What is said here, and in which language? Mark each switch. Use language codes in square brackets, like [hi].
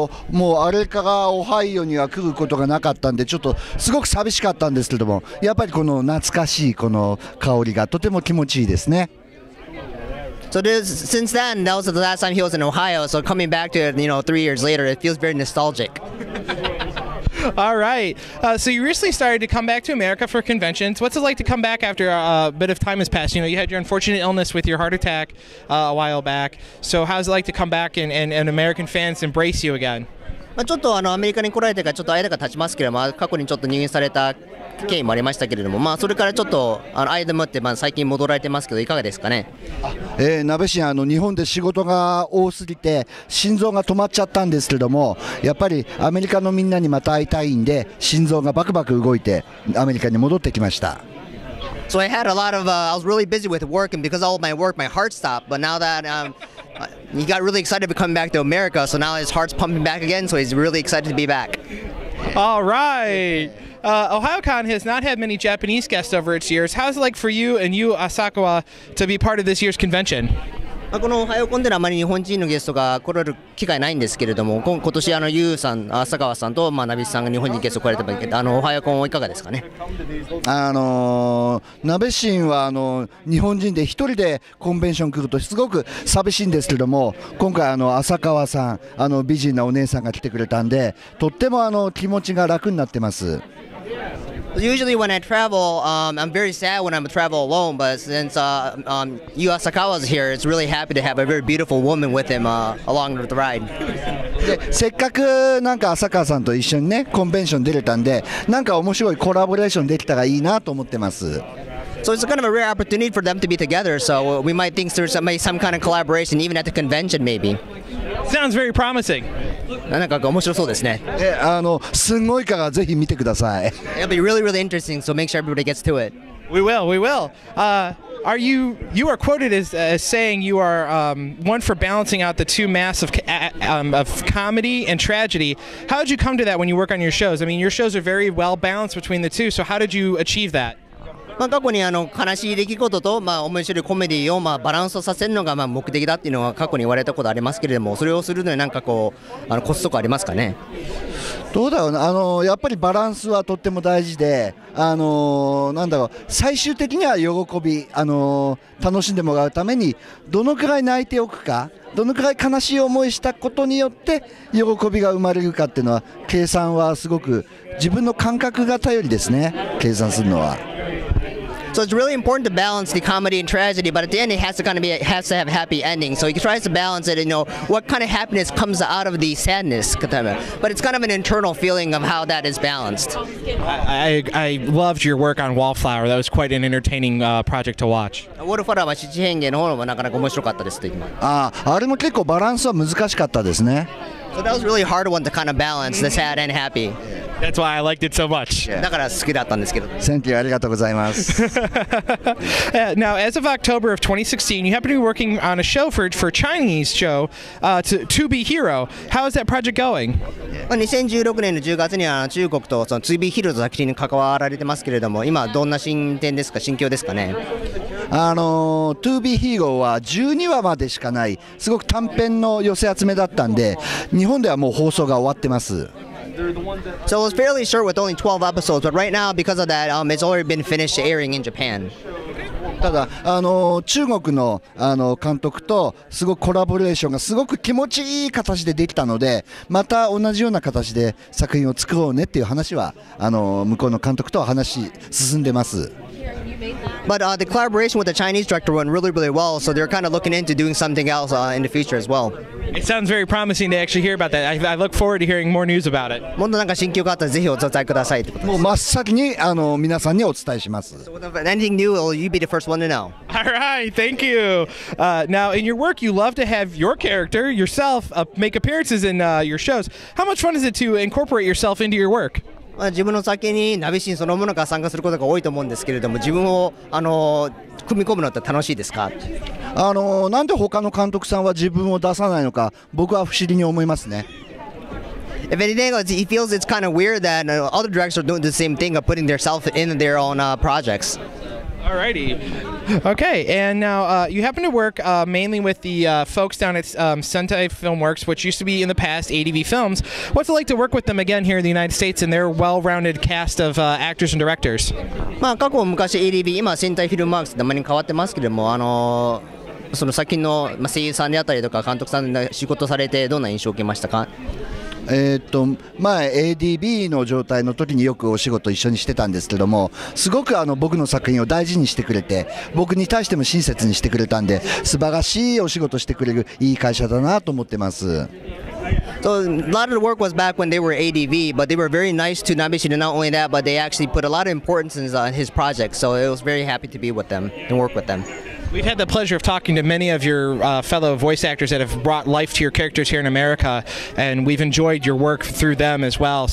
[ja] もうあれからオハイオには来ることがなかったんでちょっとすごく寂しかったんですけどもやっぱりこの懐かしいこの香りがとても気持ちいいですね。 [en] So this, since then, that was the last time he was in Ohio, so coming back to it, you know, 3 years later, it feels very nostalgic. All right. So you recently started to come back to America for conventions. What's it like to come back after a bit of time has passed? You know, you had your unfortunate illness with your heart attack a while back. So how's it like to come back and American fans embrace you again? [ja] ちょっとアメリカに来られてからちょっと間が経ちますけれども、過去にちょっと入院された経緯もありましたけれども、まあ、それからちょっと間もって、まあ、最近戻られてますけど、いかがですかね。なべしん、日本で仕事が多すぎて、心臓が止まっちゃったんですけども、やっぱりアメリカのみんなにまた会いたいんで、心臓がバクバク動いて、アメリカに戻ってきました。 [en] So I had a lot of, I was really busy with work, and because of all my work, my heart stopped, but now that, he got really excited to come back to America, so now his heart's pumping back again, so he's really excited to be back. All right. OhioCon has not had many Japanese guests over its years. How's it like for you and you, Asakawa, to be part of this year's convention? [ja] この OhioCon ではあまり日本人のゲストが来られる機会ないんですけれども、今年ユウさん、朝川さんとナベシさんが日本人ゲストが来られても、OhioCon はいかがですかね。ナベシンは日本人で一人でコンベンション来るとすごく寂しいんですけども、今回朝川さん、美人なお姉さんが来てくれたんで、とっても気持ちが楽になってます。 [en] Usually when I travel, I'm very sad when I'm travel alone, but since Yu Asakawa is here, it's really happy to have a very beautiful woman with him along the ride. [ja] せっかくなんか Asakawa さんと一緒にね、コンベンション出れたんで、なんか面白いコラボレーションできたらいいなと思ってます。 [en] So it's kind of a rare opportunity for them to be together, so we might think there's some kind of collaboration even at the convention maybe. Sounds very promising. [ja] なんか面白そうですね。すごいからぜひ見てください。 [en] It'll be really, really interesting, so make sure everybody gets to it. We will, we will. You are quoted as saying you are one for balancing out the two mass of comedy and tragedy. How did you come to that when you work on your shows? I mean, your shows are very well balanced between the two, so how did you achieve that? [ja] まあ、過去に悲しい出来事と、まあ、面白いコメディをまあバランスさせるのがまあ目的だっていうのは過去に言われたことありますけれども、それをするのに何かこうコツとかありますかね。どうだろうな、やっぱりバランスはとっても大事で、なんだろう、最終的には喜び、楽しんでもらうためにどのくらい泣いておくか、どのくらい悲しい思いしたことによって喜びが生まれるかっていうのは計算はすごく自分の感覚が頼りですね、計算するのは。 [en] So it's really important to balance the comedy and tragedy, but at the end it has to have a happy ending. So he tries to balance it and know what kind of happiness comes out of the sadness. But it's kind of an internal feeling of how that is balanced. I loved your work on Wallflower. That was quite an entertaining project to watch. [ja] Wallflower は七変化の方もなかなか面白かったですと言います。あれも結構バランスは難しかったですね。 [en] So that was a really hard one to kind of balance, the sad and happy. That's why I liked it so much. [ja] だから好きだったんですけど。 [en] Thank you. [ja] ありがとうございます。 [en] Now, as of October of 2016, you happen to be working on a show for Chinese show, To Be Hero. How is that project going? [ja] 2016年の10月には中国とその To Be Hero の作品に関わられてますけれども、今どんな進展ですか、心境ですかね。 To Be Hero は12話までしかない、すごく短編の寄せ集めだったんで、日本ではもう放送が終わってます。 [en] So it was fairly short with only 12 episodes, but right now, because of that, it's already been finished airing in Japan. [ja] ただ、中国の、監督とすごくコラボレーションがすごく気持ちいい形でできたので、また同じような形で作品を作ろうねっていう話は、向こうの監督と話進んでます。 [en] But the collaboration with the Chinese director went really, really well, so they're kind of looking into doing something else in the future as well. It sounds very promising to actually hear about that. I look forward to hearing more news about it. [ja] もっとなんか新曲があったらぜひお伝えくださいってことです。もう真っ先に皆さんにお伝えします。 [en] So, anything new, you'd be the first one to know. All right, thank you. Now, in your work, you love to have your character, yourself, make appearances in your shows. How much fun is it to incorporate yourself into your work? [ja] 自分の作品にナビシンそのものが参加することが多いと思うんですけれども、自分を組み込むのって楽しいですか？なんで他の監督さんは自分を出さないのか、僕は不思議に思いますね。 [en] If anything, he feels it's kind of weird that other directors are doing the same thing of putting themselves in their own projects. Alrighty. Okay, and now you happen to work mainly with the folks down at Sentai Filmworks, which used to be in the past ADV Films. What's it like to work with them again here in the United States and their well-rounded cast of actors and directors? [ja] まあ過去も昔 ADV、今は Sentai Filmworks って名前に変わってますけども、その最近の声優さんであったりとか監督さんで仕事されてどんな印象を受けましたか？前 ADB の状態の時によくお仕事一緒にしてたんですけども、すごく僕の作品を大事にしてくれて、僕に対しても親切にしてくれたんで、素晴らしいお仕事してくれるいい会社だなと思ってます。 [en] So a lot of the work was back when they were ADB, but they were very nice to Nabishi, not only that, but they actually put a lot of importance in his project, so it was very happy to be with them and work with them. We've had the pleasure of talking to many of your fellow voice actors that have brought life to your characters here in America, and we've enjoyed your work through them as well.